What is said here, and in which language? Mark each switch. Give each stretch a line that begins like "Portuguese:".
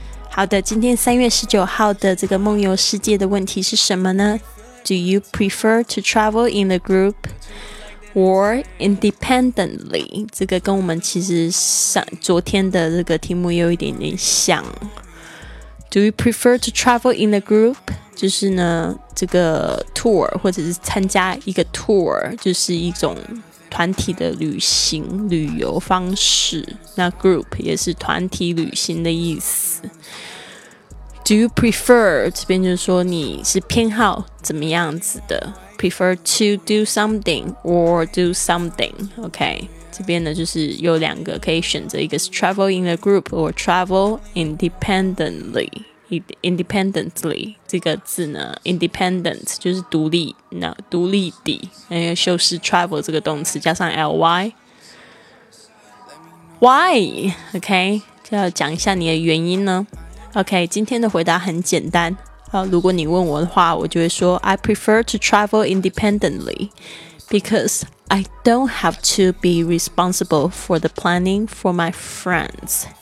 Chinese: 好的，今天3月19号的这个梦游世界的问题是什么呢？
English: Do you prefer to travel in a group? Or independently，
Chinese: 这个跟我们其实昨天的这个题目有一点点像。
English: Do you prefer to travel in a group？
Chinese: 就是呢，这个 tour 或者是参加一个 tour， 就是一种团体的旅行旅游方式。那 group 也是团体旅行的意思。
English: Do you prefer?
Chinese: 这边就是说你是偏好怎么样子的
English: ？Prefer to do something or do something? OK，
Chinese: 这边呢就是有两个可以选择，一个是
English: travel in a group or travel independently。
Chinese: Independently 这个字呢 ，independent 就是独立，那独立的，那个修饰 travel 这个动词加上 ly。
English: Why?
Chinese: OK， 就要讲一下你的原因呢。OK， 今天的回答很简单。如果你问我的话，我就会说
English: I prefer to travel independently because I don't have to be responsible for the planning for my friends.